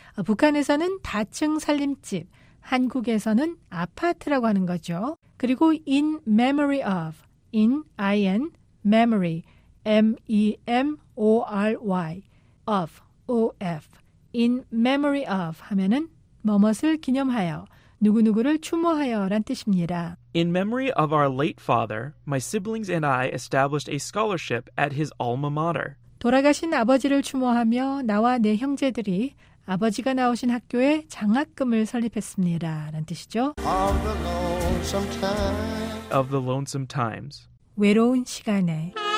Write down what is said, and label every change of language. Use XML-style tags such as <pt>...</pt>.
<ko>북한에서는 다층 살림집, 한국에서는 아파트라고 하는 거죠. 그리고</ko> <en>in memory of. In, I-N, memory. M-E-M-O-R-Y. Of, O-F. In memory of</en> <ko>하면은 무엇을 기념하여. 누구누구를 추모하여란 뜻입니다.</ko> <en>In memory of our late father, my siblings and I established a scholarship at his alma mater.</en> <ko>돌아가신 아버지를 추모하며 나와 내 형제들이 아버지가 나오신 학교에 장학금을 설립했습니다. 라는 뜻이죠.</ko> <en>Of the lonesome times. Of the lonesome times.</en> <ko>외로운 시간에.</ko>